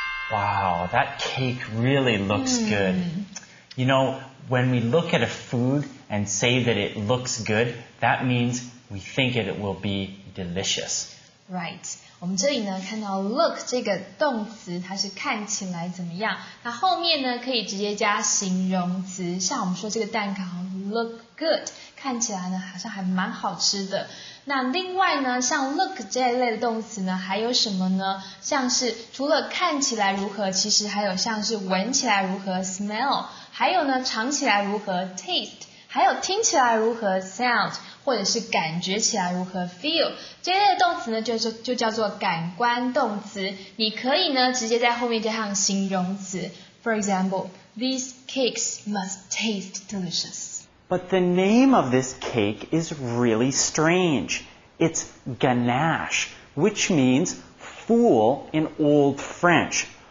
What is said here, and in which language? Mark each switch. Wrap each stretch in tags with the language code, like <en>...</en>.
<en>Wow, that cake really looks good. You know, when we look at a food... and say that it looks good, that means we think it will be delicious. Right.</en> <zh>我们这里呢看到 look 这个动词它是看起来怎么样。那后面呢可以直接加形容词。像我们说这个蛋糕 look good, 看起来呢好像还蛮好吃的。那另外呢像 look 这一类的动词呢还有什么呢像是除了看起来如何其实还有像是闻起来如何 smell, 还有呢尝起来如何 taste,还有听起来如何 sound, 或者是感觉起来如何 feel, 这类的动词呢 就叫做感官动词。你可以呢直接在后面加上形容词。</zh> <en>For example, these cakes must taste delicious. But the name of this cake is really strange. It's ganache, which means fool in old French.</en>